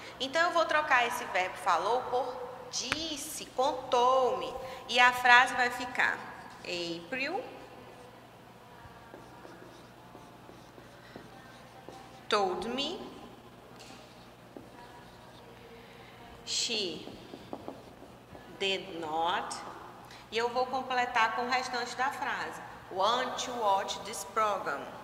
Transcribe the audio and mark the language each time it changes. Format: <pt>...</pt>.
<pt>Então, eu vou trocar esse verbo falou por disse, contou-me. E a frase vai ficar</pt> <en>April told me she did not.</en> <pt>E eu vou completar com o restante da frase.</pt> <en>Want to watch this program.</en>